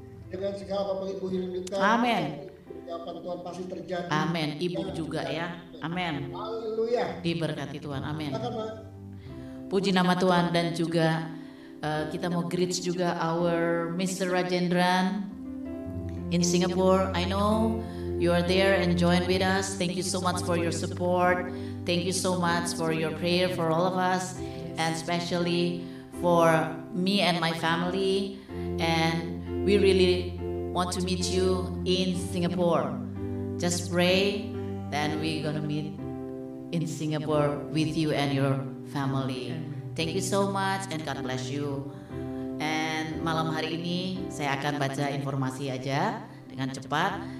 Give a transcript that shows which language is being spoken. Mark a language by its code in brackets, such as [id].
[id] Dengan segala apa Ibu hidupkan. Amin. Kehidupan Tuhan pasti terjadi. Amin. Ibu juga ya. Amin. Haleluya. Diberkati Tuhan. Amin. Puji nama Tuhan. Dan juga kita mau greet juga [en] our Mr. Rajendran in Singapore. I know you are there and join with us. Thank you so much for your support. Thank you so much for your prayer for all of us. And especially for me and my family. And we really want to meet you in Singapore. Just pray, then we're gonna meet in Singapore with you and your family. Thank you so much and God bless you. [id] And malam hari ini saya akan baca informasi aja dengan cepat.